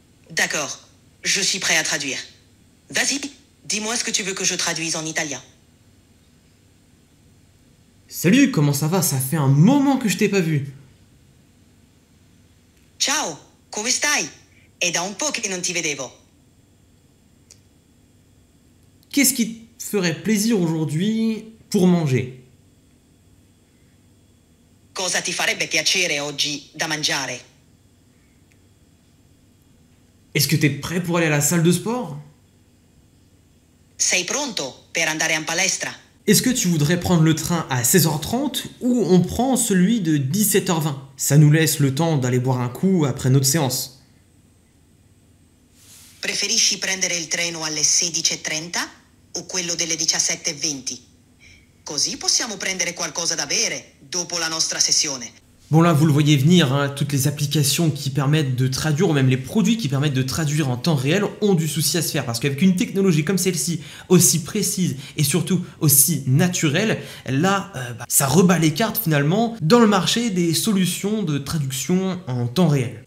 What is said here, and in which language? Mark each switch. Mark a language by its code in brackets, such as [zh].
[fr] D'accord, je suis prêt à traduire. Vas-y, dis-moi ce que tu veux que je traduise en italien. Salut, comment ça va? Ça fait un moment que je t'ai pas vu. [it] Ciao, come stai? È da un po' che non ti vedevo. [fr] Qu'est-ce qui te ferait plaisir aujourd'hui pour manger? [it] Cosa ti farebbe piacere oggi da mangiare? [fr] Est-ce que t'es prêt pour aller à la salle de sport? [it] Sei pronto per andare in palestra? [fr] Est-ce que tu voudrais prendre le train à 16h30 ou on prend celui de 17h20? Ça nous laisse le temps d'aller boire un coup après notre séance. [it] Preferisci prendere il treno alle 16:30? O quello delle 17:20. Così possiamo prendere qualcosa da bere dopo la nostra sessione. [fr] Bon là, vous le voyez venir, hein, toutes les applications qui permettent de traduire, ou même les produits qui permettent de traduire en temps réel, ont du souci à se faire. Parce qu'avec une technologie comme celle-ci, aussi précise et surtout aussi naturelle, là, ça rebat les cartes finalement dans le marché des solutions de traduction en temps réel.